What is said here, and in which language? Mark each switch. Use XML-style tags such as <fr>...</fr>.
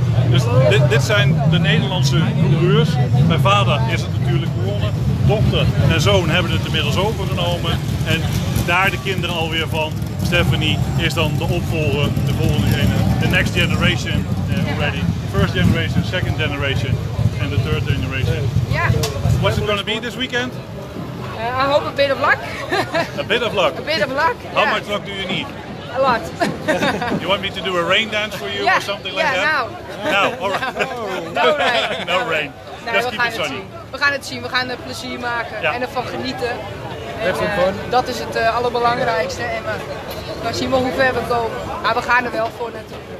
<nl>Dus dit zijn de Nederlandse coureurs. Mijn vader is het natuurlijk gewonnen. Dochter en zoon hebben het inmiddels overgenomen. En daar de kinderen alweer van. Stephanie is dan de opvolger, de volgende generatie.</nl> <en>The next generation already. First generation, second generation and the third generation. Yeah. What's it going to be this weekend? I hope a bit of luck. A bit of luck? A bit of luck, How much luck do you need? A lot. You want me to do a rain dance for you or something like that? Yeah, now. No, alright. No rain. No rain. No, just keep it sunny.</en> <nl>We gaan het zien. We gaan het plezier maken en ervan genieten.</nl> <en>Have some fun.</en> <nl>Dat is het allerbelangrijkste. En dan zien we hoe ver we komen. Maar we gaan er wel voor naartoe.</nl>